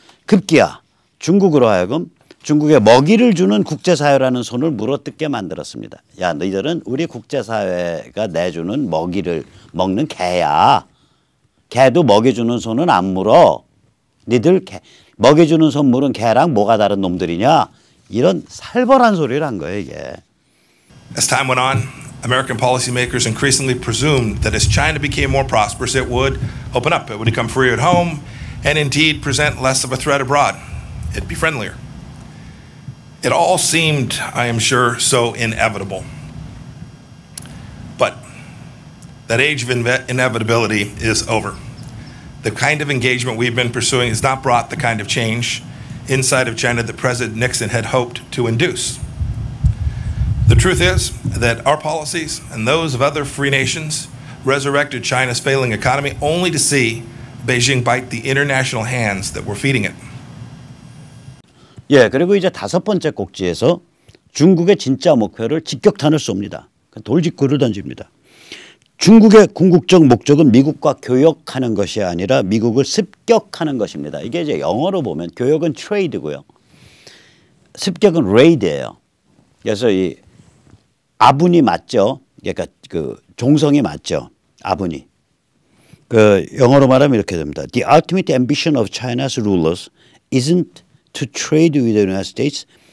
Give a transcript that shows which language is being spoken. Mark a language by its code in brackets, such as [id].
[ko] 급기야 중국으로 하여금 중국에 먹이를 주는 국제사회라는 손을 물어뜯게 만들었습니다. 야 너희들은 우리 국제사회가 내주는 먹이를 먹는 개야. 개도 먹여주는 손은 안 물어. 니들 개 먹여주는 손 물은 개랑 뭐가 다른 놈들이냐. 이런 살벌한 소리를 한 거예요 이게. [en] As time went on, American policymakers increasingly presumed that as China became more prosperous, it would open up. It would become freer at home and indeed present less of a threat abroad. It'd be friendlier. It all seemed, I am sure, so inevitable. But that age of inevitability is over. The kind of engagement we've been pursuing has not brought the kind of change inside of China that President Nixon had hoped to induce. The truth is that our policies and those of other free nations resurrected China's failing economy only to see Beijing bite the international hands that were feeding it. [ko] 예, 그리고 이제 다섯 번째 꼭지에서 중국의 진짜 목표를 직격탄을 쏩니다. 돌직구를 던집니다. 중국의 궁극적 목적은 미국과 교역하는 것이 아니라 미국을 습격하는 것입니다. 이게 이제 영어로 보면 교역은 트레이드고요. 습격은 레이드예요. 그래서 이 아분이 맞죠. 그러니까 그 종성이 맞죠. 아분이. 그 영어로 말하면 이렇게 됩니다. [en] The ultimate ambition of China's rulers isn't to trade with the United States.